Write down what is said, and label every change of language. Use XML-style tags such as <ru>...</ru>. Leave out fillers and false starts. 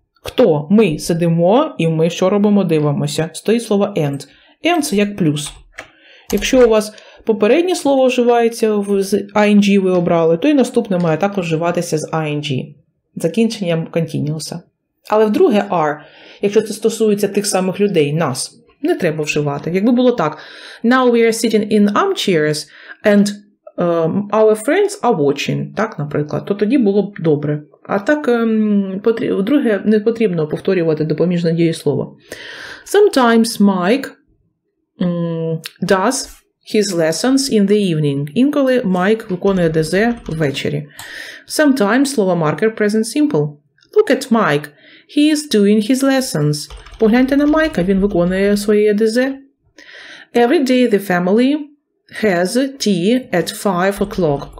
<uk>Хто? Ми сидимо і ми що робимо? Дивимося. Стоїть слово and. And – це як плюс. Якщо у вас попереднє слово вживається з ing ви обрали, то і наступне має також вживатися з ing. Закінченням continuous. Але вдруге are, якщо це стосується тих самих людей, нас, не треба вживати. Якби було так.</uk> <en>Now we are sitting in armchairs and our friends are watching.</en> <uk>Так, наприклад. То тоді було б добре. А так, вдруге, не потрібно повторювати допоміжне дієслово.</uk> <en>Sometimes Mike does his lessons in the evening.</en> <uk>Інколи Mike виконує ДЗ ввечері.</uk> <en>Sometimes,</en> <uk>слово маркер,</uk> <en>present simple. Look at Mike. He is doing his lessons.</en> <uk>Погляньте на Майка, він виконує своє ЕДЗ.</uk> <en>Every day the family has tea at 5 o'clock.</en>